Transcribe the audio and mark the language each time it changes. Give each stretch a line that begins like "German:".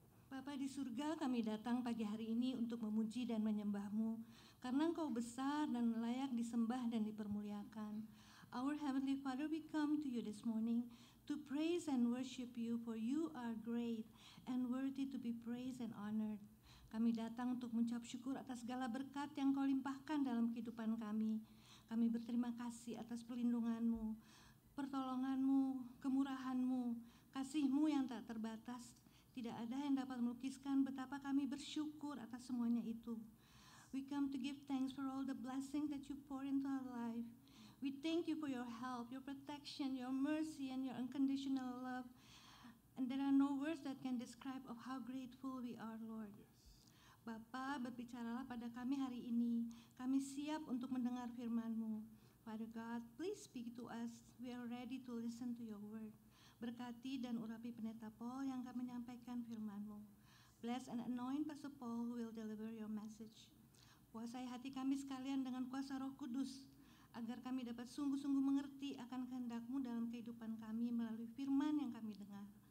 Indonesian: Bapa di surga, kami datang pagi hari ini untuk memuji dan menyembah-Mu, karena Engkau besar dan layak disembah dan dipermuliakan.
English: Our Heavenly Father, we come to You this morning to praise and worship You, for You are great and worthy to be praised and honored.
Indonesian: Kami datang untuk mengucap syukur atas segala berkat yang Kau limpahkan dalam kehidupan kami. Kami berterima kasih atas perlindungan-Mu, pertolongan-Mu, kemurahan-Mu, kasih-Mu yang tak terbatas. Tidak ada yang dapat melukiskan betapa kami bersyukur atas semuanya itu.
English: We come to give thanks for all the blessings that You pour into our life. We thank You for Your help, Your protection, Your mercy, and Your unconditional love. And there are no words that can describe of how grateful we are, Lord.
Indonesian: Bapa, berbicaralah pada kami hari ini. Kami siap untuk mendengar firman-Mu.
English: Father God, please speak to us. We are ready to listen to Your word.
Indonesian: Berkati dan urapi pendeta Paul yang akan menyampaikan firman-Mu.
English: Bless and anoint Pastor Paul who will deliver Your message.
Indonesian: Kuasai hati kami sekalian dengan kuasa Roh Kudus, agar kami dapat sungguh-sungguh mengerti akan kehendak-Mu dalam kehidupan kami melalui firman yang kami dengar.